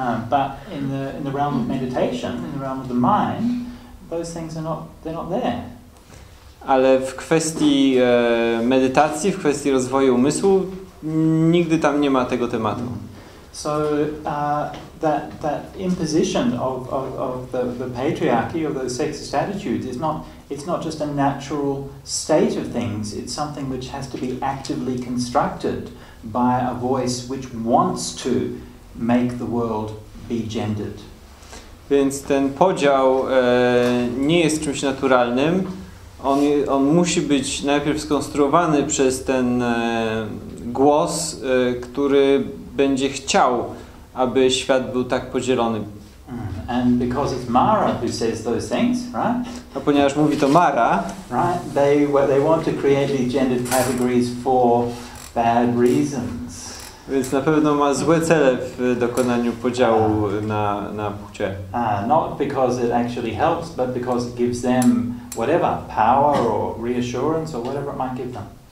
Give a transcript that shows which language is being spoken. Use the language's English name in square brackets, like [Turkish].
[English] But in the realm of meditation, in the realm of the mind, those things are not, they're not there. [Polish] Ale w kwestii medytacji, w kwestii rozwoju umysłu, nigdy tam nie ma tego tematu. [English] So that imposition of the patriarchy or those sexist attitudes is not just a natural state of things. It's something which has to be actively constructed by a voice which wants to make the world be gendered. [Polish] Więc ten podział nie jest czymś naturalnym. On musi być najpierw skonstruowany przez ten głos, który będzie chciał, aby świat był tak podzielony. [English] And because it's Mara who says those things, right? [Polish] A ponieważ mówi to Mara, [English] right? They want to create these gendered categories for bad reasons. [Polish] Więc na pewno ma złe cele w dokonaniu podziału na płcie. [English] Not because it actually helps, but because it gives them whatever, power or reassurance or whatever it might give them.